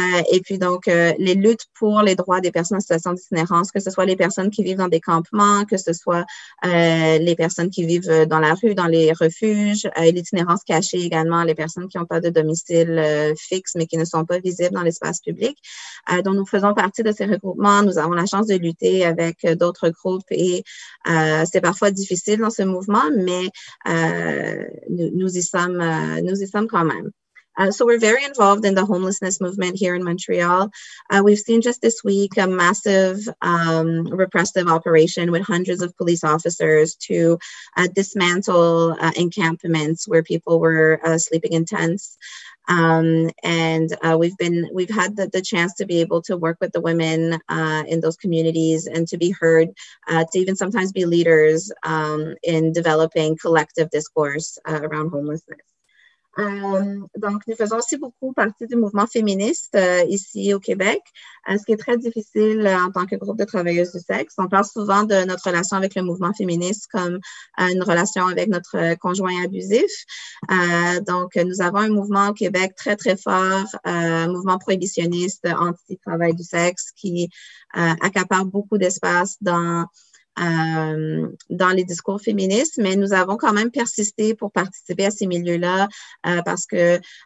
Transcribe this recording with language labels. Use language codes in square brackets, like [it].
[fr] Et puis donc, les luttes pour les droits des personnes en situation d'itinérance, que ce soit les personnes qui vivent dans des campements, que ce soit les personnes qui vivent dans la rue, dans les refuges, l'itinérance cachée également, les personnes qui n'ont pas de domicile fixe, mais qui ne sont pas visibles dans l'espace public. Donc, nous faisons partie de ces regroupements. Nous avons la chance de lutter avec d'autres groupes et c'est parfois difficile dans ce mouvement, mais nous y sommes quand même. [en] So we're very involved in the homelessness movement here in Montreal. We've seen just this week a massive repressive operation with hundreds of police officers to dismantle encampments where people were sleeping in tents. We've had the chance to be able to work with the women in those communities and to be heard, to even sometimes be leaders in developing collective discourse around homelessness. [fr] Donc, nous faisons aussi beaucoup partie du mouvement féministe ici au Québec, ce qui est très difficile en tant que groupe de travailleuses du sexe. On parle souvent de notre relation avec le mouvement féministe comme une relation avec notre conjoint abusif. Donc, nous avons un mouvement au Québec très, très fort, un mouvement prohibitionniste anti-travail du sexe qui accapare beaucoup d'espace dans les discours féministes, mais nous avons quand même persisté pour participer à ces milieux-là parce que,